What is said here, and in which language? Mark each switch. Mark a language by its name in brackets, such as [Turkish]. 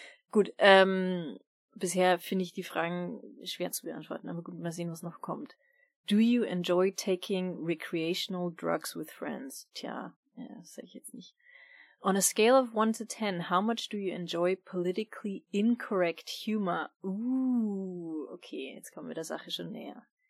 [German] Gut, bisher finde ich die Fragen schwer zu beantworten, aber gut, mal sehen, was noch kommt. [English] Do you enjoy taking recreational drugs with friends? [German] Tja, ja, das sag ich jetzt nicht. [English] On a scale of 1 to 10, how much do you enjoy politically incorrect humor? [German] Okay, jetzt kommen wir der Sache schon näher.